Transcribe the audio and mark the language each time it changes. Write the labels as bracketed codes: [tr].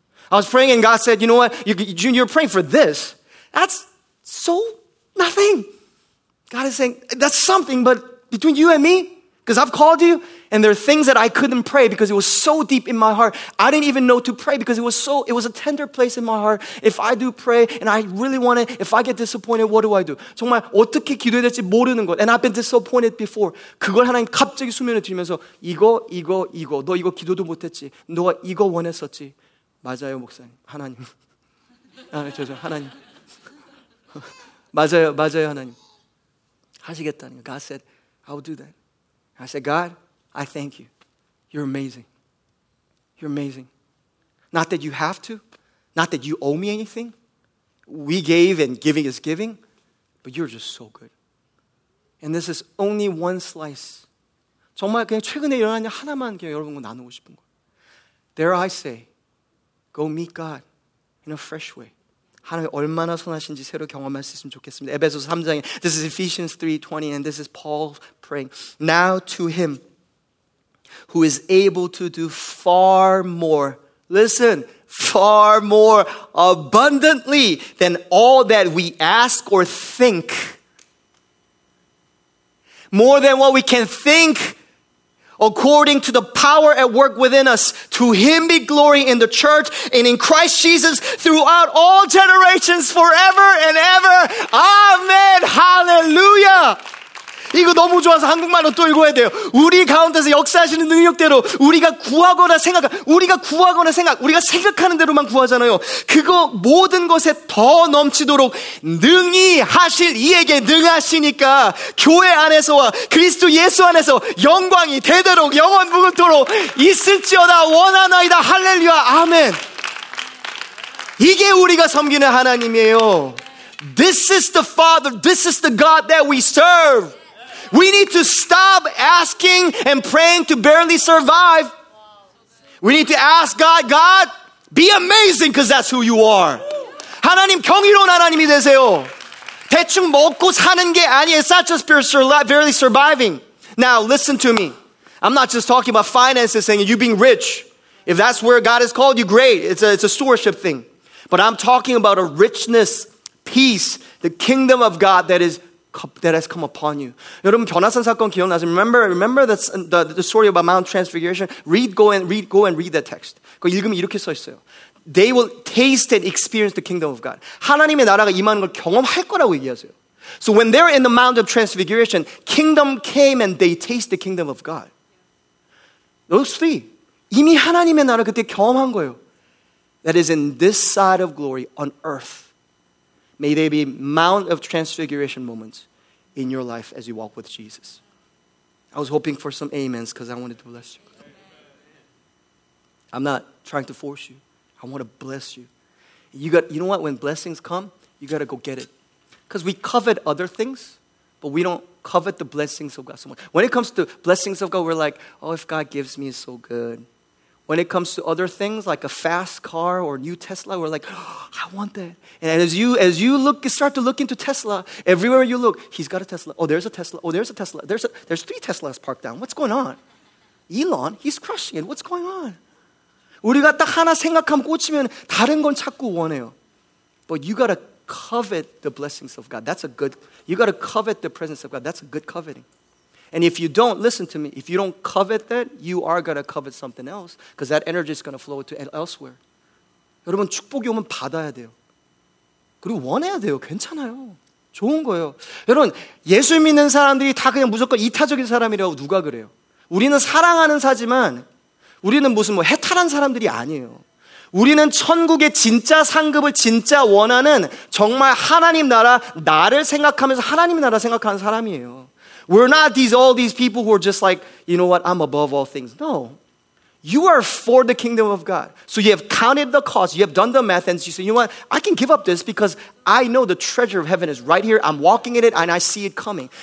[en] I was praying and God said, you know what? You're praying for this. That's so nothing. God is saying, that's something, but between you and me, because I've called you, and there are things that I couldn't pray because it was so deep in my heart. I didn't even know to pray because it was a tender place in my heart. If I do pray and I really want it, if I get disappointed, what do I do? [ko] 정말 어떻게 기도해야 될지 모르는 것. [en] And I've been disappointed before. [ko] 그걸 하나님 갑자기 수면에 들면서 이거. 너 이거 기도도 못했지. 너가 이거 원했었지. 맞아요, 목사님. 하나님. 아, 죄송해요. 하나님. 맞아요, 하나님. 하시겠다는 거. [en] God said, I'll do that. I said, God, I thank you. You're amazing. You're amazing. Not that you have to. Not that you owe me anything. We gave and giving is giving. But you're just so good. And this is only one slice. 정말 그냥 최근에 일어난 일 하나만 그냥 여러분과 나누고 싶은 거. There I say, go meet God in a fresh way. [ko] 하나님 얼마나 선하신지 새로 경험할 수 있으면 좋겠습니다. 에베소서 3장에 [en] This is Ephesians 3:20 and this is Paul praying. Now to him who is able to do far more. Listen, far more abundantly than all that we ask or think. More than what we can think. According to the power at work within us, to him be glory in the church and in Christ Jesus throughout all generations forever and ever. Amen. Hallelujah. [ko] 이거 너무 좋아서 한국말로 또 읽어야 돼요. 우리 가운데서 역사하시는 능력대로 우리가 구하거나 생각, 우리가 생각하는 대로만 구하잖아요. 그거 모든 것에 더 넘치도록 능히 하실 이에게 능하시니까 교회 안에서와 그리스도 예수 안에서 영광이 되도록 영원 무궁토록 있을지어다 원하나이다. 할렐루야. 아멘. 이게 우리가 섬기는 하나님이에요. [en] This is the Father. This is the God that we serve. We need to stop asking and praying to barely survive. We need to ask God, be amazing because that's who you are. [ko] 하나님 경이로운 하나님이 되세요. 대충 먹고 사는 게 아니에요. [en] It's not just barely surviving. Now listen to me. I'm not just talking about finances, saying you being rich. If that's where God has called you, great. It's a stewardship thing. But I'm talking about a richness, peace, the kingdom of God that has come upon you. [ko] 여러분 변화산 사건 기억나세요? [en] Remember the story about Mount Transfiguration. Go and read the text. [ko] 그 읽으면 이렇게 써 있어요. [en] They will taste and experience the kingdom of God. [ko] 하나님의 나라가 임하는 걸 경험할 거라고 얘기하세요. [en] So when they're in the Mount of Transfiguration, kingdom came and they taste the kingdom of God. Those three. [ko] 이미 하나님의 나라 그때 경험한 거예요. [en] That is in this side of glory on earth. May they be Mount of Transfiguration moments in your life as you walk with Jesus. I was hoping for some amens because I wanted to bless you. I'm not trying to force you. I want to bless you. You know what? When blessings come, you got to go get it. Because we covet other things, but we don't covet the blessings of God so much. When it comes to blessings of God, we're like, oh, if God gives me, it's so good. When it comes to other things, like a fast car or a new Tesla, we're like, oh, I want that. And as you start to look into Tesla, everywhere you look, he's got a Tesla. Oh, there's a Tesla. Oh, there's a Tesla. There's three Teslas parked down. What's going on? Elon, he's crushing it. What's going on? [ko] 우리가 딱 하나 생각하면 꽂히면 다른 건 찾고 원해요. [en] But you got to covet the blessings of God. That's a good, you got to covet the presence of God. That's a good coveting. And if you don't, listen to me, if you don't covet that, you are going to covet something else because that energy is going to flow to elsewhere. [ko] 여러분, 축복이 오면 받아야 돼요. 그리고 원해야 돼요. 괜찮아요. 좋은 거예요. 여러분, 예수 믿는 사람들이 다 그냥 무조건 이타적인 사람이라고 누가 그래요? 우리는 사랑하는 사지만 우리는 무슨 뭐 해탈한 사람들이 아니에요. 우리는 천국의 진짜 상급을 진짜 원하는 정말 하나님 나라, 나를 생각하면서 하나님 나라 생각하는 사람이에요. [en] We're not all these people who are just like, you know what, I'm above all things. No. You are for the kingdom of God. So you have counted the cost. You have done the math. And you say, you know what, I can give up this because I know the treasure of heaven is right here. I'm walking in it and I see it coming.